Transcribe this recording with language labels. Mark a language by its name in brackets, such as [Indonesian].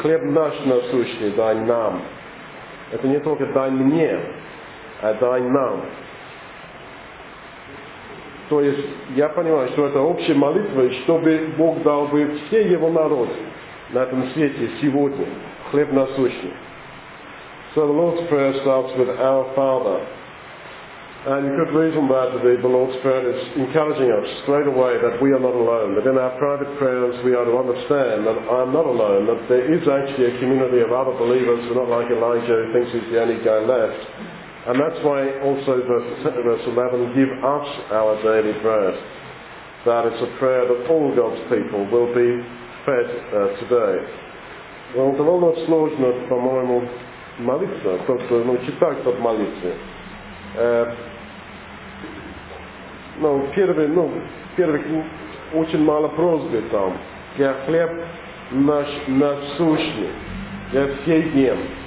[Russian] «Хлеб наш насущный дай нам». Это не только «дай мне», а «дай нам». То есть я понимаю, что это общая молитва, чтобы Бог дал бы все его народ на этом свете сегодня хлеб насущный. [English] So the Lord's Prayer starts with our Father. And you could reason that the Lord's Prayer is encouraging us straight away that we are not alone, that in our private prayers we are to understand that I'm not alone, that there is actually a community of other believers who are not like Elijah, who thinks he's the only guy left. And that's why also verse 11, give us our daily bread. That is a prayer that all God's people will be fed today. [Russian] Well, довольно сложно, по-моему, молиться, просто читать под молитвы. Первых очень мало просьбы там. Я хлеб наш насущный. Я все ем.